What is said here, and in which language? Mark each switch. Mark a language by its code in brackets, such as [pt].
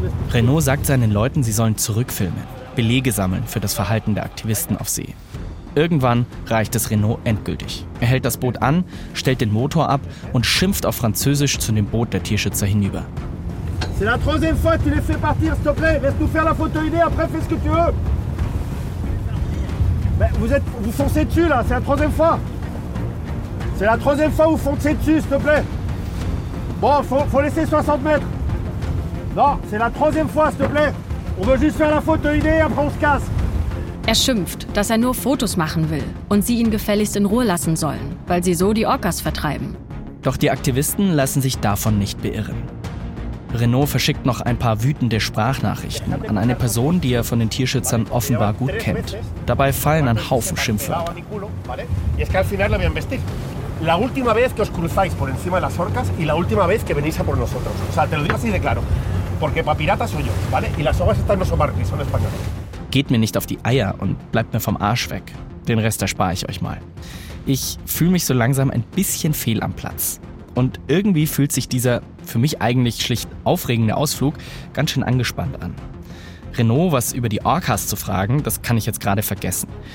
[de] Renaud sagt seinen Leuten, sie sollen zurückfilmen, Belege sammeln für das Verhalten der Aktivisten auf See. Irgendwann reicht es Renaud endgültig. Er hält das Boot an, stellt den Motor ab und schimpft auf Französisch zu dem Boot der Tierschützer hinüber. [fr] C'est la troisième fois, tu les fais partir, s'il te plaît. Laisse-nous faire la photo idée, après fais ce que tu veux. Mais vous foncez dessus là, c'est la troisième fois. C'est la troisième fois, vous foncez dessus, s'il te plaît. Bon, faut laisser 60 mètres. Non, c'est la troisième fois, s'il te plaît. On veut juste faire la photo idée, après on se casse. [de] Er schimpft, dass er nur Fotos machen will und sie ihn gefälligst in Ruhe lassen sollen, weil sie so die Orcas vertreiben. Doch die Aktivisten lassen sich davon nicht beirren. Renaud verschickt noch ein paar wütende Sprachnachrichten an eine Person, die er von den Tierschützern offenbar gut kennt. Dabei fallen ein Haufen Schimpfwörter. [es] Es que al final lo habían vestido. La última vez que os cruzáis por encima de las orcas y la última vez que venís a por nosotros. O sea, te lo digo así de claro. Porque papirata soy yo, ¿vale? Y las orcas estas no son marroquíes, son españolas. [de] Geht mir nicht auf die Eier und bleibt mir vom Arsch weg. Den Rest erspare ich euch mal. Ich fühle mich so langsam ein bisschen fehl am Platz. Und irgendwie fühlt sich dieser für mich eigentlich schlicht aufregende Ausflug ganz schön angespannt an. Renaud, was über die Orcas zu fragen, das kann ich jetzt gerade vergessen.